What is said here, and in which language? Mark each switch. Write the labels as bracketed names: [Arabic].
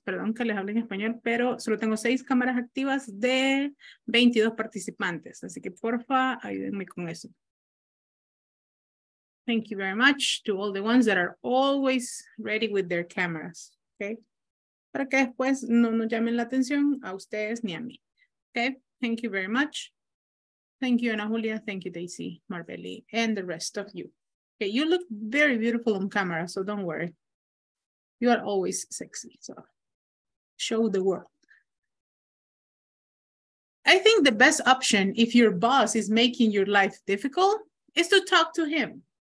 [Spanish] Perdón que les hable en español, pero solo tengo 6 cámaras activas de 22 participantes. Así que porfa, ayúdenme con eso. [English] Thank you very much to all the ones that are always ready with their cameras, okay? [Spanish] Para que después no nos llamen la atención a ustedes ni a mí, okay? [English] Thank you very much. Thank you, Ana Julia. Thank you, Daisy, Marbeli, and the rest of you. Okay, you look very beautiful on camera, so don't worry. You are always sexy, so show the world. I think the best option if your boss is making your life difficult is to talk to him.